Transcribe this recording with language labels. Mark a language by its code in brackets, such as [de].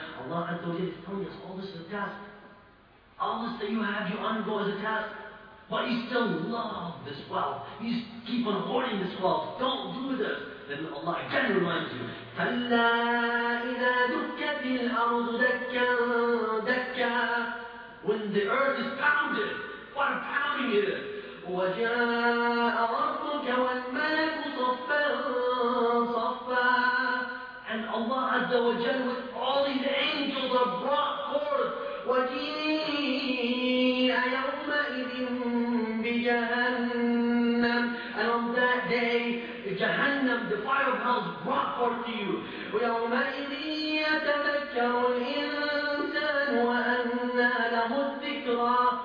[ar] الله عز وجل [en] is telling us all this is a task. All this that you have, you undergo as a task. But you still love this wealth. You keep on hoarding this wealth. Don't do this. Then Allah again reminds you. [ar] فلا إذا دكت الأرض دكا دكا. [en] When the earth is pounded, what a pounding it is. [ar] وجاء ربك والملك صفا صفا. [en] And Allah Azza wa Jal with all His angels are brought forth. [ar] وجيء يومئذ بجهنم. [en] And on that day, Jahannam, the fire of hell, is brought forth to you. [ar] ويومئذ يتذكر الإنسان وأنى له الذكرى.